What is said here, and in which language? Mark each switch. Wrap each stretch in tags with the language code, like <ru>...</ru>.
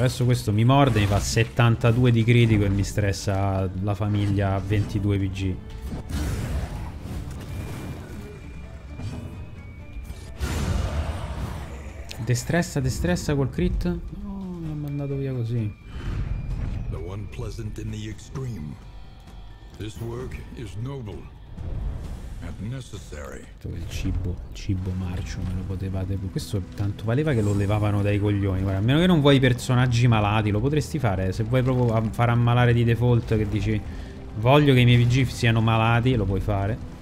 <it>Adesso questo mi morde, mi fa 72 di critico e mi stressa la famiglia a 22 PG. Destressa, destressa col crit. No, mi ha mandato via così.</it> <en>Unpleasant in the extreme. This work is noble and necessary.</en> <it>Il cibo marcio me lo potevate. Questo tanto valeva che lo levavano dai coglioni. Guarda, a meno che non vuoi personaggi malati, lo potresti fare. Se vuoi proprio far ammalare di default, che dici voglio che i miei VG siano malati, lo puoi fare.</it>